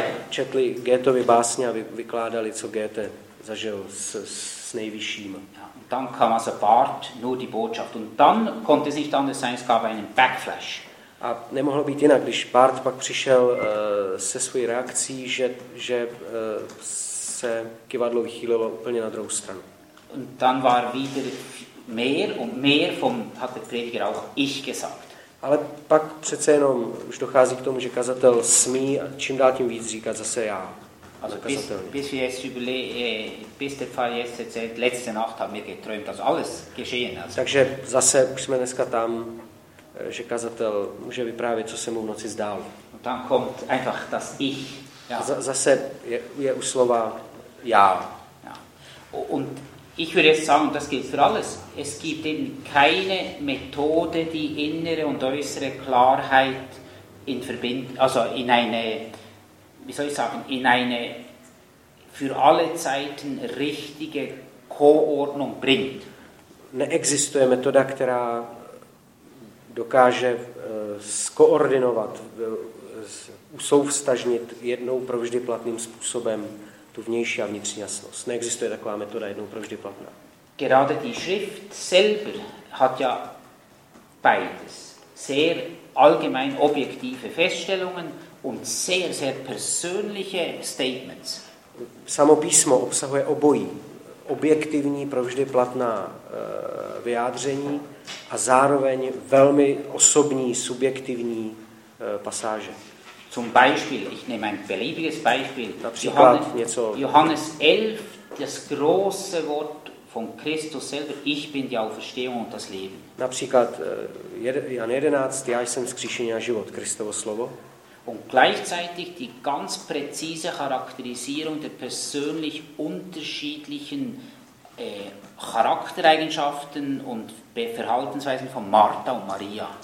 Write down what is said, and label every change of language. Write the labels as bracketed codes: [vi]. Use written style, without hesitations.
[cs] Četli Goethovi básně a vykládali, co Goethe zažil s nejvyšším. [de] Und dann kam also Barth, nur die Botschaft. Und dann konnte es nicht anders sein, es gab einen Backflash. [cs] A nemohlo být jinak, když Barth pak přišel se svojí reakcí, že se kyvadlo vychýlilo úplně na druhou stranu. [de] Und dann war wieder mehr und mehr vom hat der Prediger auch ich gesagt. [cs] Ale pak přece jenom už dochází k tomu, že kazatel smí čím dál tím víc říkat zase já. [de] Also bis der Fall jetzt erzählt, letzte Nacht haben wir geträumt, also alles geschehen. Also. [cs] Takže zase už jsme dneska tam, že kazatel může vyprávět, co se mu v noci zdálo. [de] Und dann kommt einfach das ich. [cs] Ja. Zase je u slova já. [de] Ja. Und ich würde jetzt sagen, das gilt für alles. Es gibt eben keine Methode, die innere und äußere Klarheit in Verbindung, also in eine, wie soll ich sagen, in eine für alle Zeiten richtige Koordnung bringt. [cs] Neexistuje metoda, která dokáže skoordinovat, usouvstažnit jednou provždy platným způsobem tu vnější a vnitřní jasnost. Neexistuje taková metoda jednou provždy platná. [de] Gerade die Schrift selber hat ja beides. Sehr allgemein objektive Feststellungen und sehr, sehr persönliche Statements. [cs] Samo písmo obsahuje obojí. Objektivní, provždy platná vyjádření a zároveň velmi osobní, subjektivní pasáže. [de] Zum Beispiel, ich nehme ein beliebiges Beispiel, Johannes 11, das große Wort von Christus selber, ich bin die Auferstehung und das Leben. [cs] Například Jan 11, já jsem vzkříšení a život, Kristovo slovo. [de] Und gleichzeitig die ganz präzise Charakterisierung der persönlich unterschiedlichen Charaktereigenschaften und Verhaltensweisen von Martha und Maria.